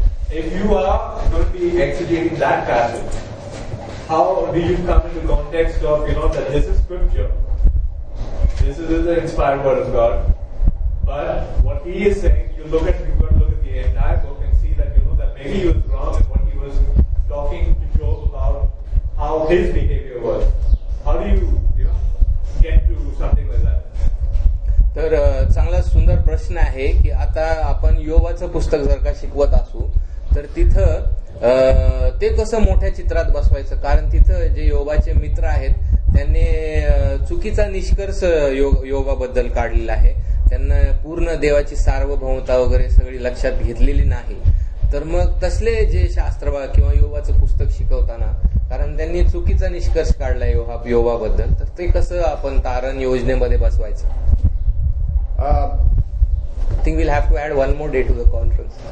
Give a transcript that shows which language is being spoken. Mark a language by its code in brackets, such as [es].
[en] If you are going to be exegeting that passage, how do you come into context of, you know, that this is scripture, this is the inspired word of God, but what he is saying, you've got to look at the entire book maybe he was wrong in what he was talking to Job about how his behavior was. How do you, get to something like that? [mr] तर चांगला सुंदर प्रश्न आहे की आता आपण योबाचं पुस्तक जर का शिकवत असू तर तिथं ते कसं मोठ्या चित्रात बसवायचं, कारण तिथं जे योबाचे मित्र आहेत त्यांनी चुकीचा निष्कर्ष योबाबद्दल काढलेला आहे, त्यांना पूर्ण देवाची सार्वभौमता वगैरे सगळी लक्षात घेतलेली नाही. तर मग तसले जे शास्त्रवा किंवा योबाचं पुस्तक शिकवताना कारण त्यांनी चुकीचा निष्कर्ष काढला योबाबद्दल, तर ते कसं आपण तारण योजनेमध्ये बसवायचं? [en] I think we'll have to add one more day to the conference.